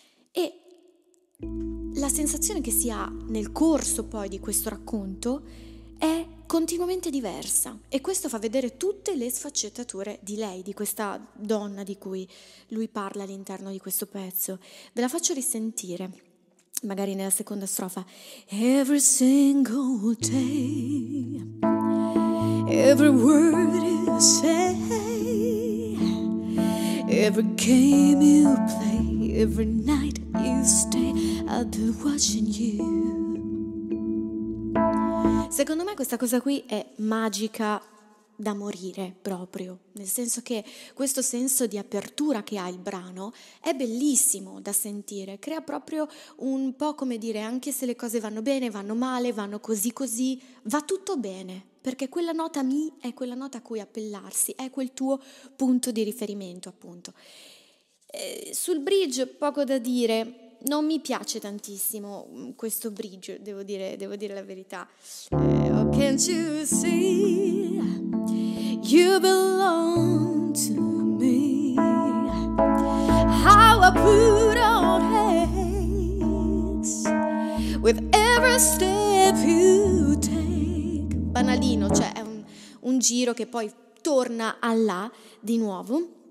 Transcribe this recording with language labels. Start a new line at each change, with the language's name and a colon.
Italian: E la sensazione che si ha nel corso poi di questo racconto è continuamente diversa, e questo fa vedere tutte le sfaccettature di lei, di questa donna di cui lui parla all'interno di questo pezzo. Ve la faccio risentire, magari nella seconda strofa.
English: Every single day, every word you say, every game you play, every night you stay, I'll be watching you.
Italian: Secondo me questa cosa qui è magica da morire proprio, nel senso che questo senso di apertura che ha il brano è bellissimo da sentire, crea proprio un po', come dire, anche se le cose vanno bene, vanno male, vanno così così, va tutto bene, perché quella nota Mi è quella nota a cui appellarsi, è quel tuo punto di riferimento appunto. Sul bridge poco da dire, non mi piace tantissimo questo bridge, devo dire la verità.
English: Oh, can't you see you belong to me? How I put on haste with every step you take.
Italian: Banalino, cioè è un giro che poi torna a là di nuovo.